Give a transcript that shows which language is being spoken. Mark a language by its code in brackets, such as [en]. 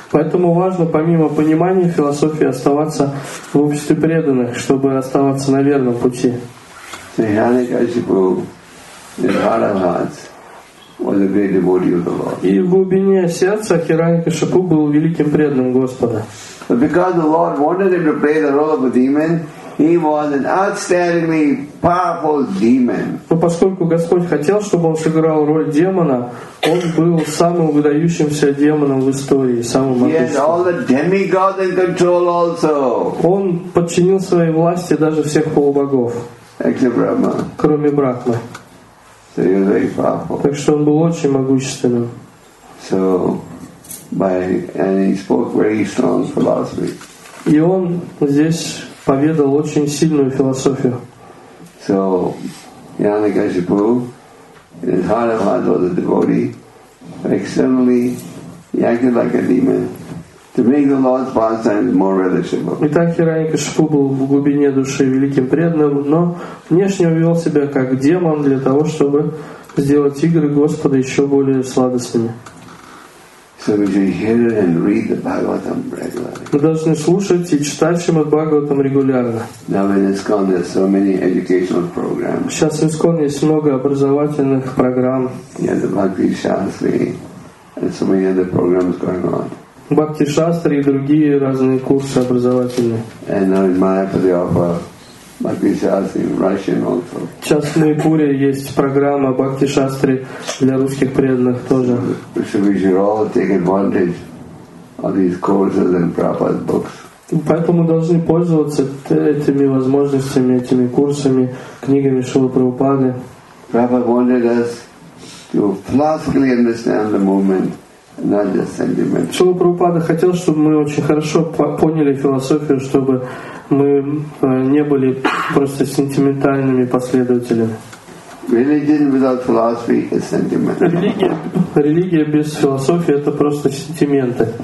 [ru] Поэтому важно, помимо понимания философии, оставаться в обществе преданных, чтобы оставаться на верном пути. И в глубине сердца Хиранья-Кашипу был великим преданным Господа. [en] But because the Lord wanted him to play the role of a demon, he was an outstandingly powerful demon. [ru] Но поскольку Господь хотел, чтобы он сыграл роль демона, он был самым выдающимся демоном в истории, самым могущественным. [en] He had all the demigods in control also. [ru] Он подчинил своей власти даже всех полубогов, кроме Брахмы. [en] So he was very powerful. [ru] Так что он был очень могущественным. [en] So, and he spoke very strong philosophy. [ru] И он здесь поведал очень сильную философию. [en] So, Hiranyakashipu, in his heart of hearts, was a devotee. Externally, he acted like a demon to make the Lord's pastimes more relishable. [ru] Итак, Хиранья-Кашипу был в глубине души великим преданным, но внешне вел себя как демон для того, чтобы сделать игры Господа еще более сладостными. [en] So we should hear and read the Bhagavatam regularly. [ru] Мы должны слушать и читать Шримад-Бхагаватам регулярно. [en] Now in ISKCON there are so many educational programs. [ru] Сейчас в ISKCON есть много образовательных программ. [en] Yeah, the Bhakti Shastri and so many other programs going on. [ru] Бхакти Шастри и другие разные курсы образовательные. [en] And now in Майапур they offer Bhakti Shastri in Russian also. [ru] Сейчас в Майпуре есть программа Бхакти Шастри для русских преданных тоже. [en] So we should all take advantage of these courses and Prabhupada's books. [ru] Поэтому мы должны пользоваться этими возможностями, этими курсами, книгами Шрилы Прабхупады. [en] Prabhupada wanted us to philosophically understand the movement. [ru] Шрила Прабхупада хотел, чтобы мы очень хорошо поняли философию, чтобы мы не были просто сентиментальными последователями. Религия без философии — это просто сентименты.